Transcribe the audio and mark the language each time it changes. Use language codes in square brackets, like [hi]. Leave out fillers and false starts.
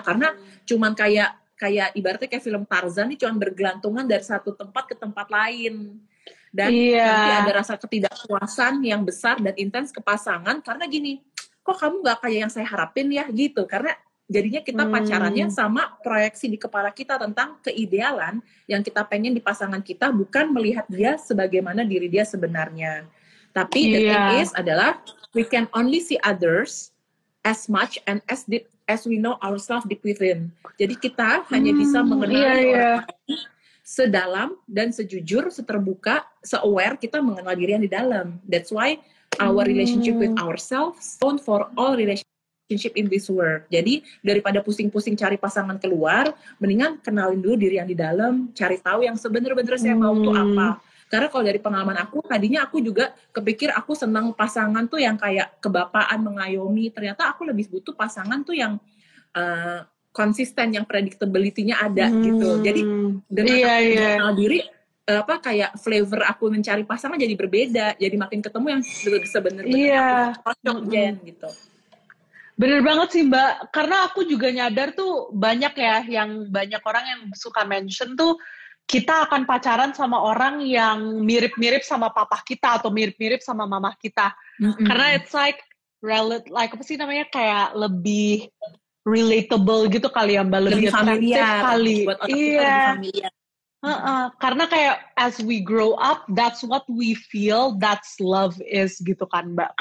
[id] Karena cuman kayak ibaratnya kayak film Tarzan nih, cuman bergelantungan dari satu tempat ke tempat lain, dan nanti ada rasa ketidakpuasan yang besar dan intens ke pasangan karena gini, kok kamu nggak kayak yang saya harapin ya gitu. Karena jadinya kita pacarannya sama proyeksi di kepala kita tentang keidealan yang kita pengen di pasangan kita, bukan melihat dia sebagaimana diri dia sebenarnya. Tapi [en] the thing is adalah, we can only see others as much and as deep as we know ourselves deep within. [id] Jadi kita hanya bisa mengenali orang sedalam dan sejujur, seterbuka, se-aware kita mengenal diri yang di dalam. [en] That's why our relationship with ourselves stone for all relationships in this world. [id] Jadi daripada pusing-pusing cari pasangan keluar, mendingan kenalin dulu diri yang di dalam, cari tahu yang sebenar-benar saya mau tuh apa. Karena kalau dari pengalaman aku, tadinya aku juga kepikir aku senang pasangan tuh yang kayak kebapaan, mengayomi. Ternyata aku lebih butuh pasangan tuh yang konsisten, yang predictability-nya ada gitu. Jadi dengan kenal diri, apa kayak flavor aku mencari pasangan jadi berbeda. Jadi makin ketemu yang sebenar-benar cocok gitu. Bener banget sih Mbak, karena aku juga nyadar tuh banyak ya, yang banyak orang yang suka mention tuh, kita akan pacaran sama orang yang mirip-mirip sama papa kita, atau mirip-mirip sama mama kita. Karena [en] it's like, [id] apa sih namanya, kayak lebih relatable gitu kali ya Mbak, lebih familiar kali. Buat otak kita lebih familiar. Karena kayak [en] as we grow up, that's what we feel, that's love is gitu kan Mbak.